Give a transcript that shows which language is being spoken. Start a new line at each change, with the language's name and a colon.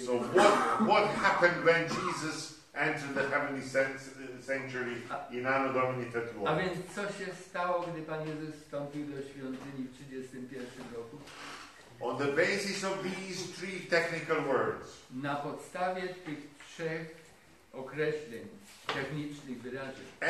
English: So what happened when Jesus entered the heavenly sanctuary in Anno Domini 31?
Polish: A więc co się stało, gdy Pan Jezus wstąpił do świątyni w 31 roku?
English: On the basis of these three technical words.
Polish: Na podstawie tych trzech określeń technicznych wyrażeń.